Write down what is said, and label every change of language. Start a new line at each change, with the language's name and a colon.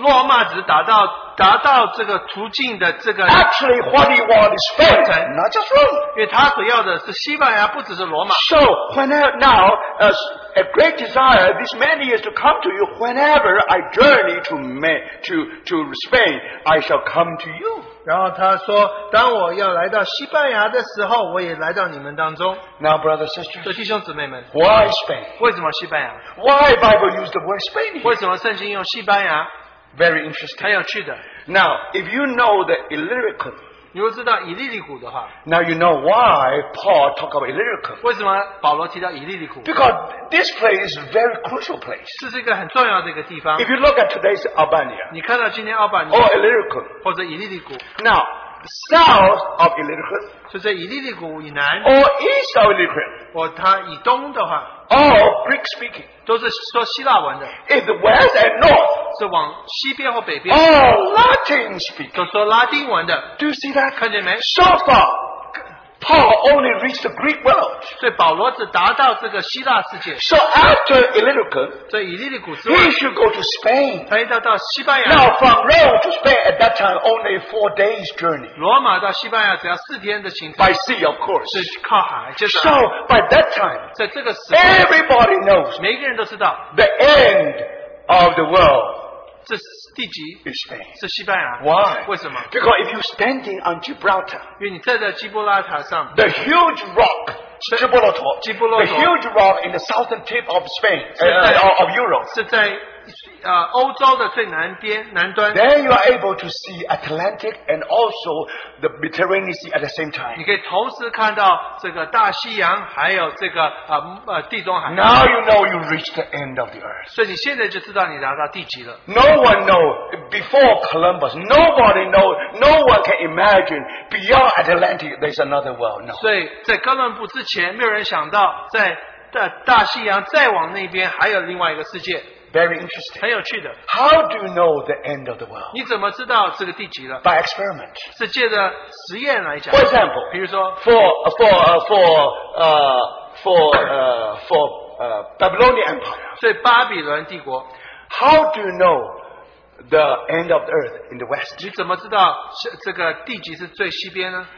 Chinese: 罗马只达到, 达到这个途径的这个,
English: actually, what he wants is Spain, not just Rome.
Chinese: 因为他所要的是西班牙, 不只是罗马,
English: so, whenever, now, as a great desire these many years to come to you, whenever I journey to Spain, I shall come to you.
Chinese: 然后他说, 当我要来到西班牙的时候, 我也来到你们当中。
English: Now, brothers and sisters,
Chinese: 弟兄姊妹们,
English: why Spain?
Chinese: 为什么西班牙?
English: Why Bible use the word Spain here?
Chinese: 为什么圣经用西班牙?
English: Very interesting.
Chinese: 很有趣的。
English: Now, if you know the Illyricum,
Chinese: 如果知道以利里谷的话,
English: now you know why Paul talked about Illyricum.
Chinese: 为什么保罗提到以利里谷?
English: Because this place is a very crucial place.
Chinese: 这是一个很重要的一个地方。
English: If you look at today's Albania,
Chinese: 你看到今天阿巴尼亚,
English: or Illyricum,
Chinese: 或者以利里谷,
English: now, south of Illyricum,
Chinese: 就在以利里谷以南,
English: or east of Illyricum,
Chinese: 或它以东的话,
English: all Greek speaking,
Chinese: 都是说希腊文的,
English: is the west and north,
Chinese: 是往西边或北边,
English: all Latin speaking,
Chinese: 都说拉丁文的,
English: do you see that?
Chinese: 看见没?
English: So far, Paul only reached the Greek world.
Chinese: 所以保罗只达到这个希腊世界,
English: so after Illyricum,
Chinese: 在以利里谷之外,
English: he should go to Spain.
Chinese: 他要到西班牙,
English: now from Rome to Spain at that time only 4 days journey.
Chinese: 罗马到西班牙只要四天的行程,
English: by sea of course.
Chinese: 是靠海, 就是,
English: so by that time,
Chinese: 在这个时候,
English: everybody knows,
Chinese: 每个人都知道,
English: the end of the world,
Chinese: 这是地级,
English: is Spain.
Chinese: 是西班牙,
English: why?
Chinese: 为什么?
English: Because if you're standing on Gibraltar,
Chinese: 因为你站在基布拉塔上,
English: the huge rock, Gibraltar, Gibraltar, the huge rock in the southern tip of Spain,
Chinese: 是在,
English: of Europe,
Chinese: 是在, 欧洲的最南边, 南端,
English: then you are able to see Atlantic and also the Mediterranean Sea at the same time.
Chinese: 你可以同时看到这个大西洋, 还有这个, 地中海,
English: now you know you reach the end of the earth.
Chinese: 所以你现在就知道你达到地极了。
English: No one knows before Columbus, nobody knows, no one can imagine beyond Atlantic there's another world. No.
Chinese: 所以在哥伦布之前, 没有人想到, 在大西洋再往那边还有另外一个世界。
English: Very interesting.
Chinese: 很有趣的,
English: how do you know the end of the world?
Chinese: 你怎么知道这个地级了?
English: By experiment.
Chinese: 是借着实验来讲,
English: for example,
Chinese: 比如说,
English: for Babylonian Empire.
Chinese: 所以巴比伦帝国,
English: how do you know the end of the earth in the west?
Chinese: 你怎么知道这个地级是最西边呢?